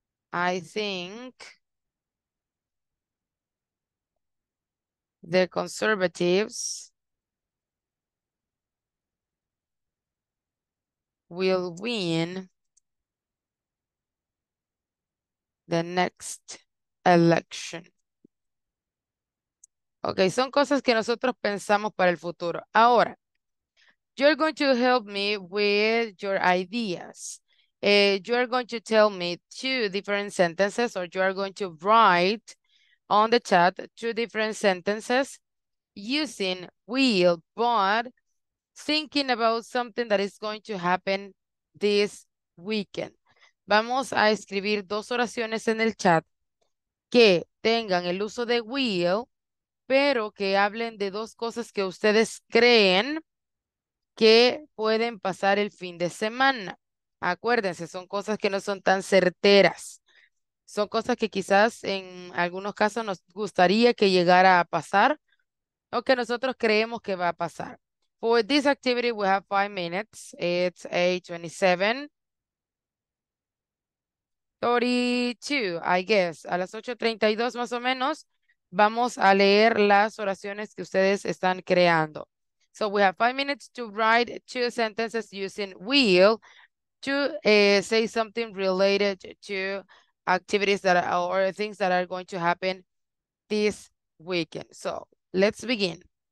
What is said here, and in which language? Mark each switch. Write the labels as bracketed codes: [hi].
[en] I think the conservatives will win the next election. [es] Okay, son cosas que nosotros pensamos para el futuro. [en] Ahora, you're going to help me with your ideas. You are going to tell me two different sentences, or you are going to write on the chat two different sentences using will, but thinking about something that is going to happen this weekend. [es] Vamos a escribir dos oraciones en el chat que tengan el uso de will, pero que hablen de dos cosas que ustedes creen que pueden pasar el fin de semana. Acuérdense, son cosas que no son tan certeras. Son cosas que quizás en algunos casos nos gustaría que llegara a pasar o que nosotros creemos que va a pasar. [en] For this activity, we have 5 minutes. It's 8:27:32, I guess. [es] A las 8:32 más o menos, vamos a leer las oraciones que ustedes están creando. [en] So we have 5 minutes to write two sentences using will to say something related to activities that are, or things that are going to happen this weekend. So let's begin.